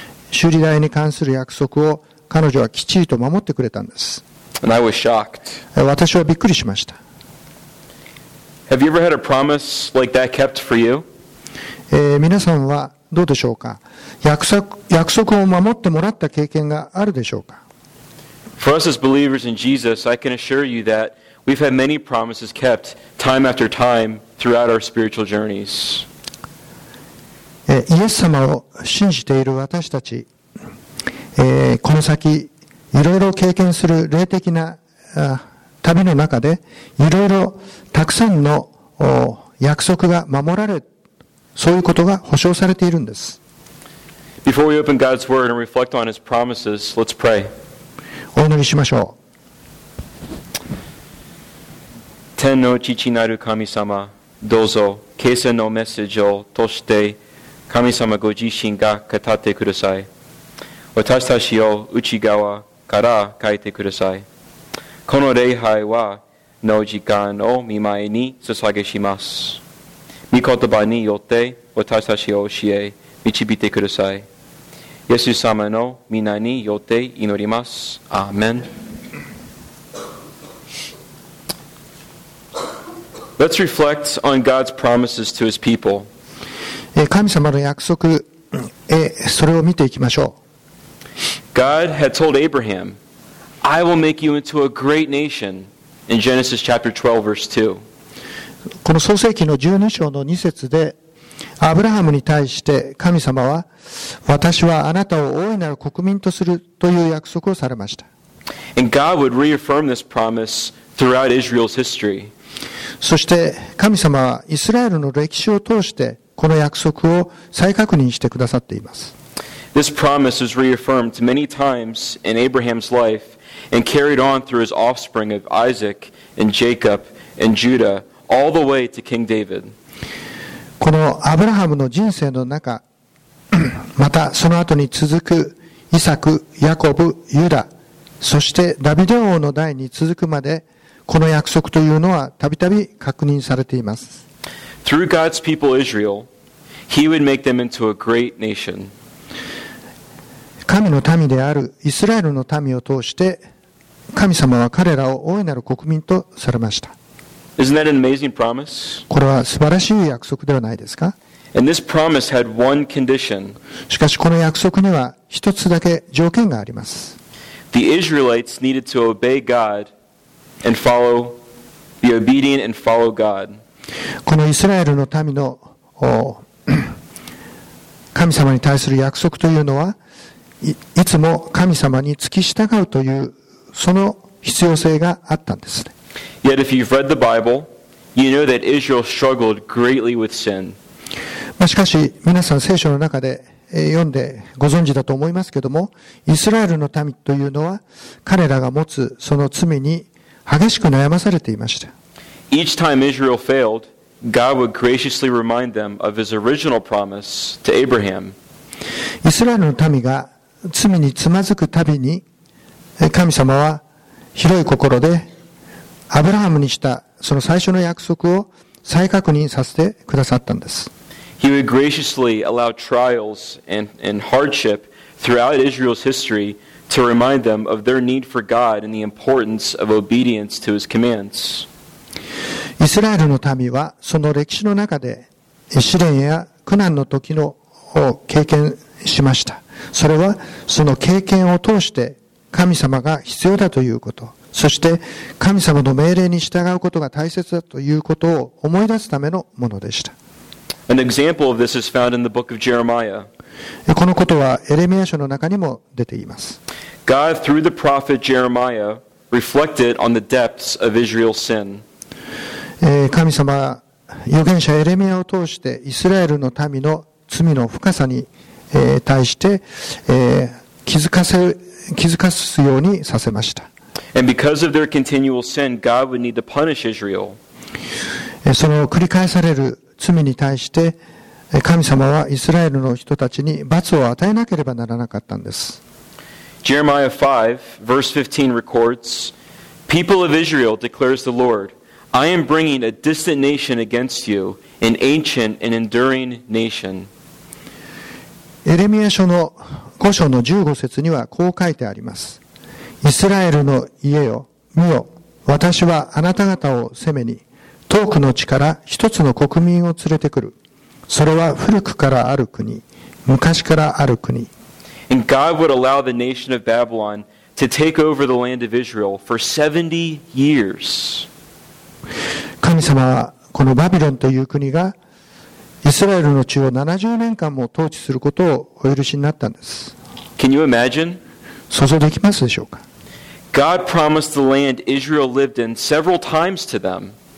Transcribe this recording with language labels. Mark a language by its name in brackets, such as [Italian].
[Japanese] 修理代に関する約束を彼女はきっちりと守ってくれたんです。 [English] And I was shocked. [Japanese] 私はびっくりしました。 [English] Have you ever had a promise like that kept for you? [Japanese] 皆さんはどうでしょうか。約束を守ってもらった経験があるでしょうか。 [English] For us as believers in Jesus, I can assure you that we've had many promises kept time after time throughout our spiritual journeys. [Japanese] イエス様を信じている私たち、この先いろいろ経験する霊的な旅の中でいろいろたくさんの約束が守られて、そういうことが保証されているんです。 [English] Before we open God's word and reflect on His promises, let's pray. [Japanese] お祈りしましょう。天の父なる神様、どうぞ、啓示のメッセージを通して、神様ご自身が語ってください。私たちを内側から変えてください。この礼拝は、の時間を御前に捧げします。御言葉によって私たちを教え導いてください。イエス様の御名によって祈ります。アーメン。 [English] Let's reflect on God's promises to His people. [Japanese] 神様の約束へそれを見ていきましょう。 [English] God had told Abraham, I will make you into a great nation in Genesis chapter 12, verse 2. [Japanese] この創世記の12章の2節で、アブラハムに対して神様は、私はあなたを大いなる国民とするという約束をされました。 [English] And God would reaffirm this promise throughout Israel's history. [Japanese] そして神様はイスラエルの歴史を通してこの約束を再確認してくださっています。 [English] This promise was reaffirmed many times in Abraham's life and carried on through his offspring of Isaac and Jacob and Judah all the way to King David. [Japanese] このアブラハムの人生の中、またその後に続くイサク、ヤコブ、ユダ、そしてダビデ王の代に続くまで、この約束というのはたびたび確認されています。 [English] Through God's people Israel, He would make them into a great nation. [Japanese] 神の民であるイスラエルの民を通して、神様は彼らを大いなる国民とされました。 [English] Isn't that an amazing promise? [Japanese] これは素晴らしい約束ではないですか? [English] And this promise had one condition. [Japanese] しかしこの約束には一つだけ条件があります。 [English] The Israelites needed to obey God and follow, be obedient and follow God. [Japanese] このイスラエルの民の神様に対する約束というのは、いつも神様に付き従うというその必要性があったんですね。 [English] Yet if you've read the Bible, you know that Israel struggled greatly with sin. [Japanese] しかし皆さん聖書の中で読んでご存知だと思いますけども、イスラエルの民というのは彼らが持つその罪に激しく悩まされていました。 [English] Each time Israel failed, God would graciously remind them of His original promise to Abraham. [Japanese] イスラエルの民が罪につまずくたびに、神様は広い心でアブラハムにしたその最初の約束を再確認させてくださったんです。 [English] He would graciously allow trials and hardship throughout Israel's history to remind them of their need for God and the importance of obedience to His commands. [Japanese] イスラエルの民はその歴史の中で試練や苦難の時のを経験しました。それはその経験を通して神様が必要だということ、そして神様の命令に従うことが大切だということを思い出すためのものでした。 [English] An example of this is found in the book of Jeremiah. [Japanese] このことはエレミア書の中にも出ています。 [English] God, through the prophet Jeremiah, reflected on the depths of Israel's sin. [Japanese] 神様、預言者エレミアを通して、イスラエルの民の罪の深さに対して、気づかすようにさせました。 [English] And because of their continual sin, God would need to punish Israel. [Japanese] その繰り返される罪に対して神様はイスラエルの人たちに罰を与えなければならなかったんです。 [English] Jeremiah 5, verse 15 records, People of Israel, declares the Lord, I am bringing a distant nation against you, an ancient and enduring nation. [Japanese] エレミア書の5章の15節にはこう書いてあります。イスラエルの家よ、見よ、私はあなた方を攻めに、遠くの地から一つの国民を連れてくる。それは古くからある国、昔からある国。 [English] And God would allow the nation of Babylon to take over the land of Israel for 70 years. [Japanese] 神様はこのバビロンという国がイスラエルの地を70年間も統治することをお許しになったんです。 [English] Can you imagine? [Japanese] 想像できますでしょうか? [English] God promised the land Israel lived in several times to them.